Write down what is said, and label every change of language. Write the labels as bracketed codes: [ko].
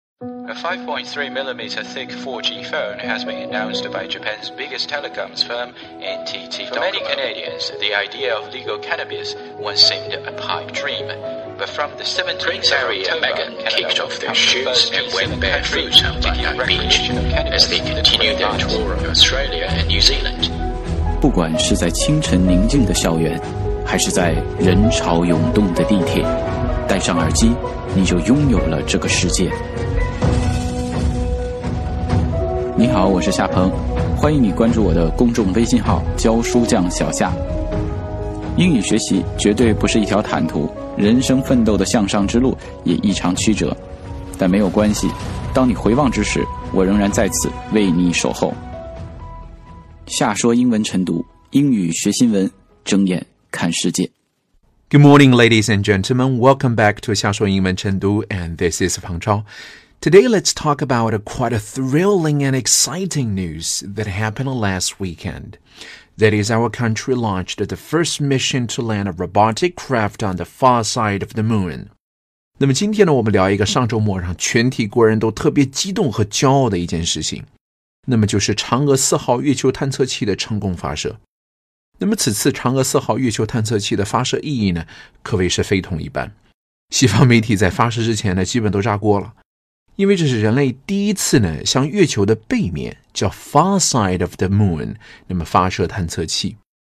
[en] A 5.3mm thick 4G phone has been announced by Japan's biggest telecoms firm, NTT Docomo. For many Canadians, the idea of legal cannabis once seemed a pipe dream. But from the 17th of October, Megan kicked off their shoes and went barefoot on Bondi Beach as they continued their tour of Australia and New Zealand. [zh] 不管是在清晨宁静的校园，还是在人潮涌动的地铁，戴上耳机，你就拥有了这个世界。你好，我是夏鹏，欢迎你关注我的公众微信号教书匠小夏。英语学习绝对不是一条坦途，人生奋斗的向上之路也异常曲折，但没有关系，当你回望之时，我仍然在此为你守候。夏说英文晨读，英语学新闻，睁眼看世界。 [en] Good morning, ladies and gentlemen. Welcome back to 夏说英文晨读 and this is 彭超。 Today, let's talk about quite a thrilling and exciting news that happened last weekend. That is, our country launched the first mission to land a robotic craft on the far side of the moon. [zh] 那么今天呢，我们聊一个上周末让全体国人都特别激动和骄傲的一件事情，那么就是嫦娥4号月球探测器的成功发射。那么此次嫦娥4号月球探测器的发射意义呢，可谓是非同一般。西方媒体在发射之前呢，基本都炸锅了。因为这是人类第一次呢向月球的背面叫 [en] far side of the moon [zh] 那么发射探测器。